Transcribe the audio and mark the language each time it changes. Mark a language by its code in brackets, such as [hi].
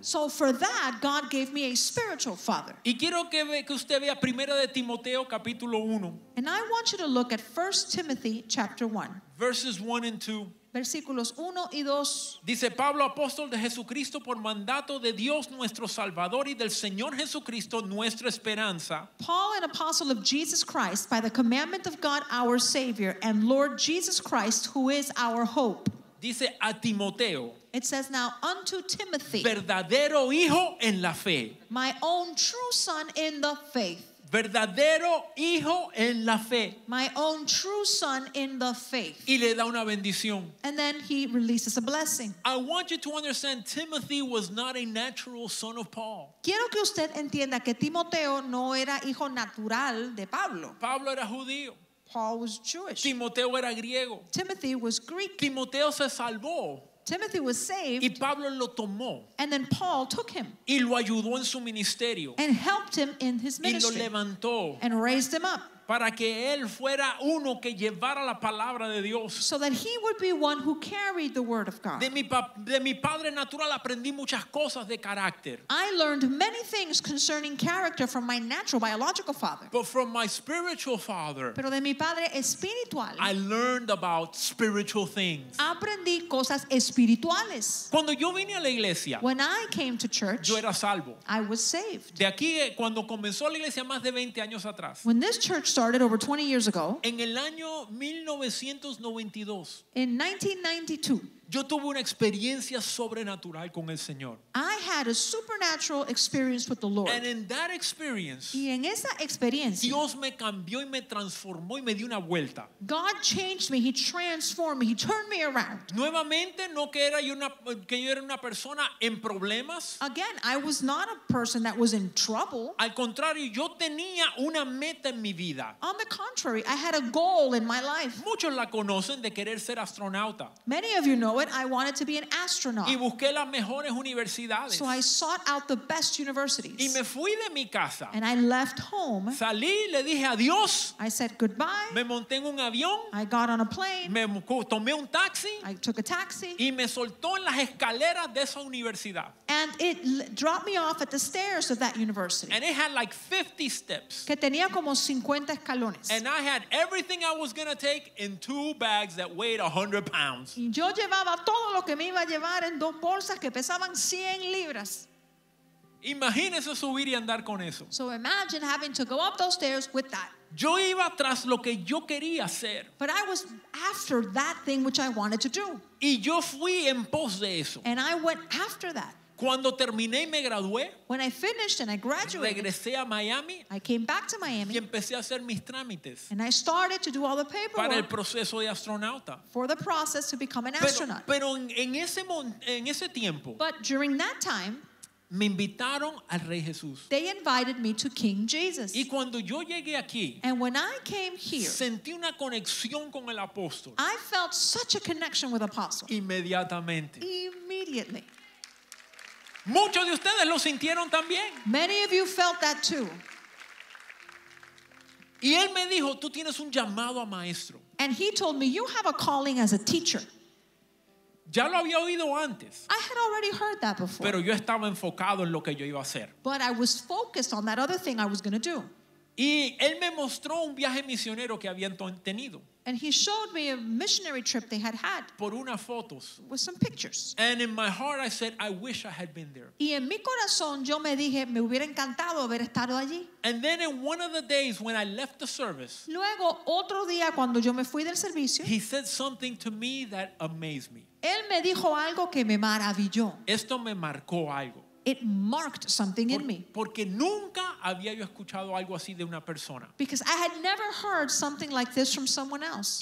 [en] So for that God gave me a spiritual father. [es] Y quiero que usted vea Primera de Timoteo capítulo 1. [en] And I want you to look at 1 Timothy chapter 1. Verses 1 and 2. [es] Versículos 1 y 2. Dice Pablo, apóstol de Jesucristo, por mandato de Dios nuestro Salvador y del Señor Jesucristo, nuestra esperanza. [en] Paul, an apostle of Jesus Christ, by the commandment of God our Savior and Lord Jesus Christ, who is our hope. [es] Dice a Timoteo. [en] It says now unto Timothy. [es] Verdadero hijo en la fe. [en] My own true son in the faith. [es] Verdadero hijo en la fe. [en] My own true son in the faith. [es] Y le da una bendición. [en] And then he releases a blessing. I want you to understand Timothy was not a natural son of Paul. [es] Quiero que usted entienda que Timoteo no era hijo natural de Pablo. Pablo era judío. [en] Paul was Jewish. [es] Timoteo era griego. [en] Timothy was Greek. [es] Timoteo se salvó. [en] Timothy was saved. [es] Y Pablo lo tomó. [en] And then Paul took him. [es] Y lo ayudó en su ministerio. [en] And helped him in his ministry. [es] Y lo levantó. [en] And raised him up. [es] para que él fuera uno que llevara la palabra de Dios. [en] So that he would be one who carried the word of God. [es] De mi padre natural aprendí muchas cosas de carácter. [en] I learned many things concerning character from my natural biological father. But from my spiritual father. [es] Pero de mi padre espiritual. [en] I learned about spiritual things. [es] Aprendí cosas espirituales. Cuando yo vine a la iglesia. [en] When I came to church. [es] Yo era salvo. [en] I was saved. [es] De aquí cuando comenzó la iglesia más de 20 años atrás. [en] When this church started over 20 years ago. [es] En el año 1992, yo tuve una experiencia sobrenatural con el Señor. [en] I had a supernatural experience with the Lord. And in that experience, [es] y en esa experiencia, Dios me cambió y me transformó y me dio una vuelta. [en] God changed me, he transformed me, he turned me around. [es] Nuevamente, no que era yo era una persona en problemas. [en] Again, I was not a person that was in trouble. [es] Al contrario, yo tenía una meta en mi vida. [en] On the contrary, I had a goal in my life. [es] Muchos la conocen de querer ser astronauta. [en] Many of you know it, I wanted to be an astronaut. [es] Y busqué las mejores universidades. [en] So I sought out the best universities. [es] Y me fui de mi casa. [en] And I left home. [es] Salí, le dije adiós. [en] I said goodbye. [es] Me monté en un avión. [en] I got on a plane. [es] Me tomé un taxi. [en] I took a taxi. [es] Y me soltó en las escaleras de esa universidad. [en] And it dropped me off at the stairs of that university. And it had like 50 steps. [es] Que tenía como 50 escalones. [en] And I had everything I was going to take in two bags that weighed 100 pounds. [es] Y yo llevaba todo lo que me iba a llevar en dos bolsas que pesaban 100 libras. Imagínese subir y andar con eso. [en] So imagine having to go up those stairs with that. [es] Yo iba tras lo que yo quería hacer. [en] But I was after that thing which I wanted to do. [es] Y yo fui en pos de eso. [en] And I went after that. [es] Cuando terminé y me gradué, [en] when I finished and I graduated, [es] regresé a Miami, [en] I came back to Miami, [es] y empecé a hacer mis trámites, [en] and I started to do all the paperwork [es] para el proceso de astronauta, [en] for the process to become an astronaut. [es] Pero en ese tiempo, [en] but during that time, [es] me invitaron al Rey Jesús. [en] They invited me to King Jesus. [es] Y cuando yo llegué aquí, [en] and when I came here, [es] sentí una conexión con el apóstol. [en] I felt such a connection with apostle. [es] Inmediatamente. [en] Immediately. [es] Muchos de ustedes lo sintieron también. [en] Many of you felt that too. [es] Y él me dijo, tú tienes un llamado a maestro. [en] And he told me, you have a calling as a teacher. [es] Ya lo había oído antes. [en] I had already heard that before. [es] Pero yo estaba enfocado en lo que yo iba a hacer. [en] But I was focused on that other thing I was going to do. [es] Y él me mostró un viaje misionero que habían tenido. [en] And he showed me a missionary trip they had had. [es] Por unas fotos. [en] With some pictures. And in my heart I said, I wish I had been there. [es] Y en mi corazón yo me dije, me hubiera encantado haber estado allí. [en] And then in one of the days when I left the service. [es] Luego otro día cuando yo me fui del servicio. [en] He said something to me that amazed me. [es] Él me dijo algo que me maravilló. Esto me marcó algo. [en] It marked something in me. [es] Porque nunca había yo escuchado algo así de una persona. [en] Because I had never heard something like this from someone else.